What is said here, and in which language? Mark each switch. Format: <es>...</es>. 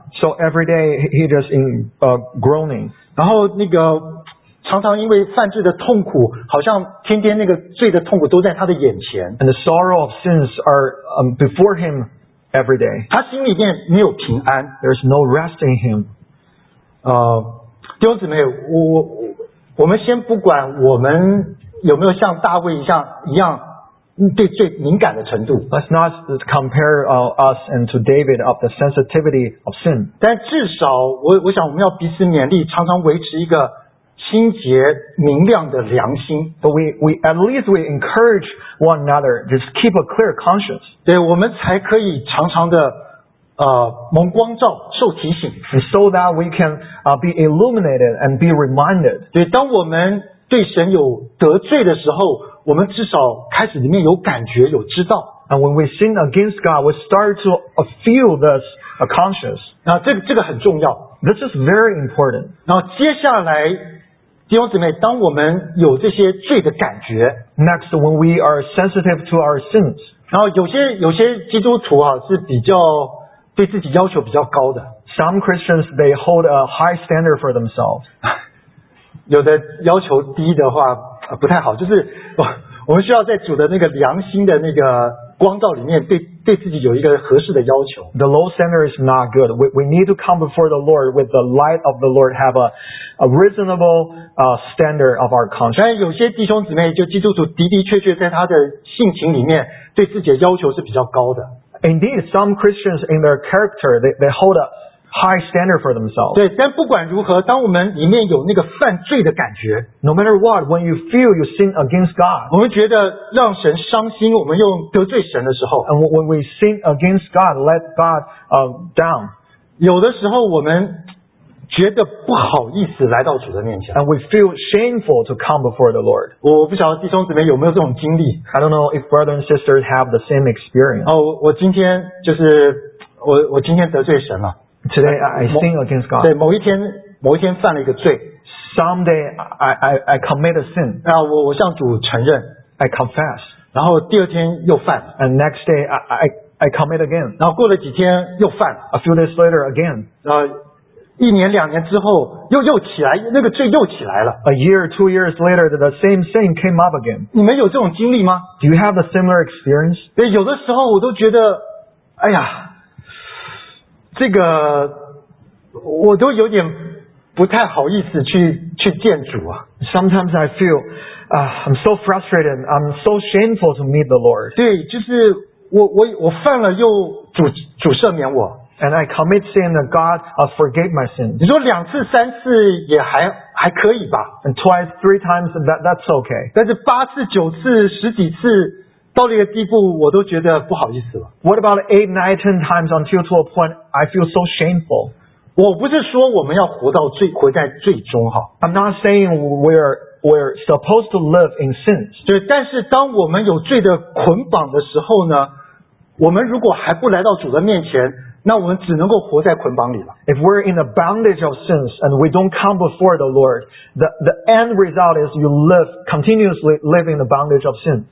<en>So every day he just in groaning.</en> <zh>然后那个常常因为犯罪的痛苦，好像天天那个罪的痛苦都在他的眼前。</zh> <en>And the sorrow of sins are before him. Every day.</en> <zh>他心里面没有平安。</zh> <en>There's no rest in him.</en> <zh>弟兄姊妹，我们先不管我们有没有像大卫一样对罪敏感的程度。</zh> <en>Let's not compare us and to David of the sensitivity of sin.</en> <zh>但至少我想我们要彼此勉励，常常维持一个清洁明亮的良心。</zh> <en>But we at least we encourage one another, just keep a clear conscience.</en> <zh>对，我们才可以常常的蒙光照，受提醒。</zh> <en>And so that we can be illuminated and be reminded.</en> <zh>对，当我们对神有得罪的时候，我们至少开始里面有感觉，有知道。</zh> <en>And when we sin against God, we start to feel this conscience.</en> <zh>那这个很重要。</zh> <en>This is very important.</en> <zh>然后接下来弟兄姊妹，当我们有这些罪的感觉</zh> <en>，Next, when we are sensitive to our sins,</en> <zh>然后有些基督徒啊是比较对自己要求比较高的。</zh> <en>Some Christians, they hold a high standard for themselves.</en> <zh>有的要求低的话不太好，就是我们需要在主的那个良心的那个光照里面对自己有一个合适的要求。</zh> <en>The low standard is not good. We need to come before the Lord with the light of the Lord, have a reasonable standard of our conscience.</en> <zh>但有些弟兄姊妹就基督徒的的确确在他的性情里面对自己的要求是比较高的。</zh> <en>Indeed, some Christians in their character, they hold a high standard for themselves.</en> <zh>对，但不管如何，当我们里面有那个犯罪的感觉</zh> <en>，No matter what, when you feel you sin against God,</en> <zh>我们觉得让神伤心，我们又得罪神的时候</zh> <en>，And when we sin against God, let God down.</en> <zh>有的时候我们觉得不好意思来到主的面前</zh> <en>，And we feel shameful to come before the Lord.</en> <zh>我不晓得弟兄姊妹有没有这种经历</zh> <en>，I don't know if brothers and sisters have the same experience.</en> <zh>哦，我今天就是我今天得罪神了。</zh> <en>Today I sin against God.</en> <zh>对，某一天犯了一个罪。</zh> <en>Someday I commit a sin.</en> <zh>然后我向主承认。</zh> <en>I confess.</en> <zh>然后第二天又犯。</zh> <en>And next day I commit again.</en> <zh>然后过了几天又犯。</zh> <en>A few days later again.</en> <zh>一年两年之后又起来，那个罪又起来了。</zh> <en>A year, two years later, the same sin came up again.</en> <zh>你们有这种经历吗</zh> <en>？Do you have a similar experience?</en> <zh>对，有的时候我都觉得，哎呀。这个我都有点不太好意思去见主啊。</zh> <en>Sometimes I feel, I'm so frustrated. I'm so shameful to meet the Lord.</en> <zh>对，就是我犯了又主赦免我。</zh> <en>And I commit sin and God forgave my sin.</en> <zh>你说两次三次也还可以吧</zh> <en>？And twice, three times, that's okay.</en> <zh>但是八次九次十几次。到了一个地步我都觉得不好意思了。</zh> <en>What about 8, 9, 10 times until to a point I feel so shameful?</en> <zh>我不是说我们要活在最终哈。</zh> <en>I'm not saying we're supposed to live in sins.</en> <zh>对，但是当我们有罪的捆绑的时候呢，我们如果还不来到主的面前，那我们只能够活在捆绑里了。</zh> <en>If we're in the bondage of sins and we don't come before the Lord, the end result is you live continuously living the bondage of sin.</en>